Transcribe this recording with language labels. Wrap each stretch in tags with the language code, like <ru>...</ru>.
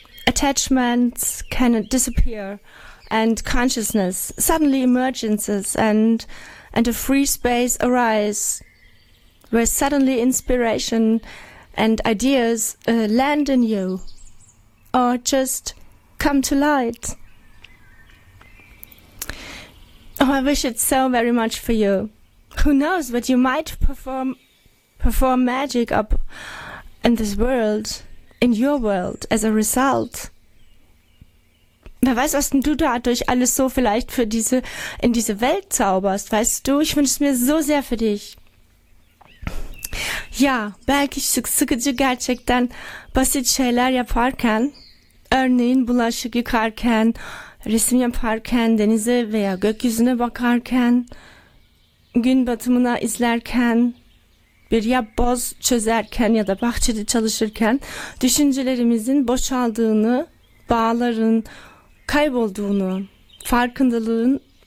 <en>Attachments can disappear and consciousness suddenly emerges and a free space arises where suddenly inspiration and ideas land in you or just come to light. Oh, I wish it so very much for you. Who knows what you might perform magic up in this world, in your world, as a result.</en> <de>Wer weiß, was denn du dadurch alles so vielleicht für diese, in diese Welt zauberst, weißt du? Ich wünsche es mir so sehr für dich.</de> <tr>Ja, belki sıkıcı gerçekten basit şeyler yaparken, örneğin bulaşık yıkarken, resim yaparken, denize veya gökyüzüne bakarken, gün batımına izlerken, bir yapboz çözerken ya da bahçede çalışırken, düşüncelerimizin boşaldığını, bağların kaybolduğunu, farkındalığın</tr>